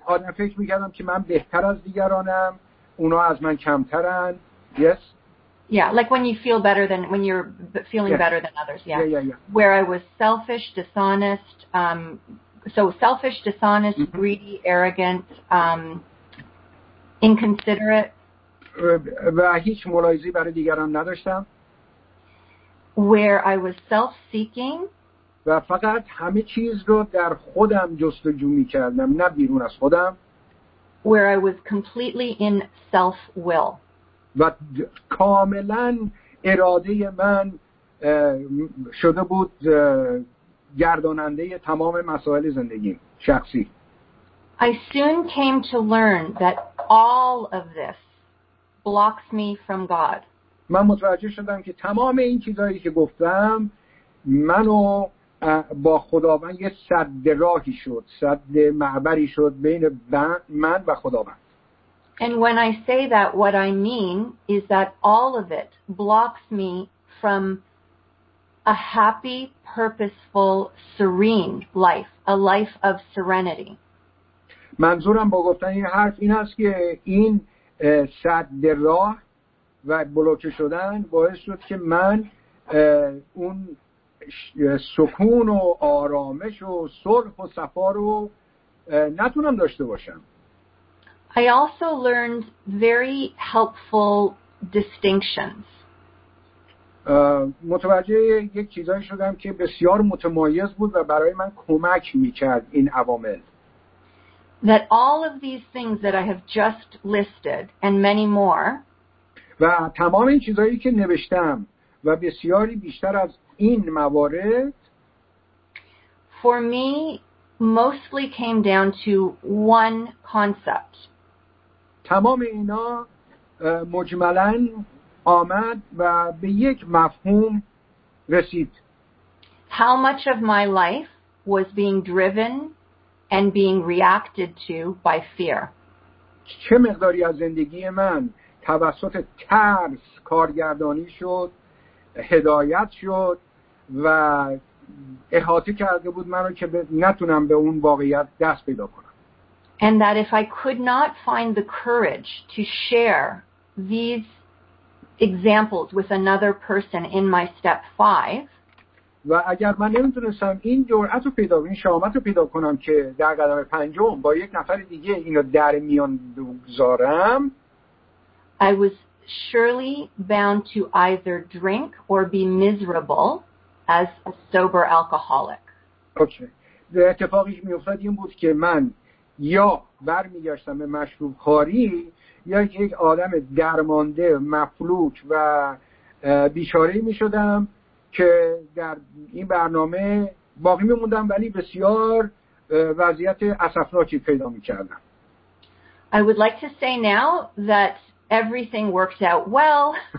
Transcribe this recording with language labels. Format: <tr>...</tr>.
<fa>آدم فکر میکردم که من بهتر از دیگرانم، اونا از من کمترن.</fa> <en>Yes. Yeah, like when you feel better than, when you're feeling better than others. Yeah. Yeah. Where I was selfish, dishonest, greedy, arrogant, inconsiderate.</en> <fa>و هیچ ملاحظه‌ای برای دیگران نداشتم.</fa> <en>Where I was self-seeking.</en> <fa>و فقط همه چیز رو در خودم جستجو می‌کردم، نه بیرون از خودم.</fa> <en>Where I was completely in self-will.</en> <fa>و کاملا اراده من شده بود گرداننده تمام مسائل زندگی شخصی.</fa> <en>I soon came to learn that all of this blocks me from God.</en> <fa>من متوجه شدم که تمام این چیزهایی که گفتم منو با خداوند یه سد راهی شد، سد معبری شد بین من و خداوند.</fa> <en>And when I say that, what I mean is that all of it blocks me from a happy, purposeful, serene life, a life of serenity.</en> <fa>منظورم با گفتن این حرف این است که این سد راه و بلوکه شدن باعث شد که من اون سکون و آرامش و صلح و صفا رو نتونم داشته باشم.</fa> <en>I also learned very helpful distinctions.</en> <fa>متوجه یک چیزایی شدم که بسیار متمایز بود و برای من کمک می‌کرد این عوامل.</fa> <en>That all of these things that I have just listed and many more.</en> <fa>و تمام این چیزایی که نوشتم و بسیاری بیشتر از این موارد.</fa> <en>For me, mostly came down to one concept.</en> <fa>تمام اینا مجملا آمد و به یک مفهوم رسید.</fa> <en>How much of my life was being driven and being reacted to by fear?</en> <fa>چه مقداری از زندگی من توسط ترس کارگردانی شد، هدایت شد و احاطه کرده بود منو که نتونم به اون واقعیت دست پیدا کنم.</fa> <en>And that if I could not find the courage to share these examples with another person in my step 5,</en> <fa>و اگر من نمیتونستم این جرأت رو پیدا کنم، این شجاعت رو پیدا کنم که در قدم پنجم با یک نفر دیگه اینو در میان بگذارم،</fa> <en>I was surely bound to either drink or be miserable as a sober alcoholic. Okay.</en> <fa>اتفاقی که میافتاد این بود که من یا برمیگشتم به مشروب خاری یا یک آدم درمانده مفلوج و بیچاره‌ای می‌شدم که در این برنامه باقی می‌موندم ولی بسیار وضعیت اسفناکی پیدا می‌کردم.</fa> <en>I would like to say now that everything worked out well.</en>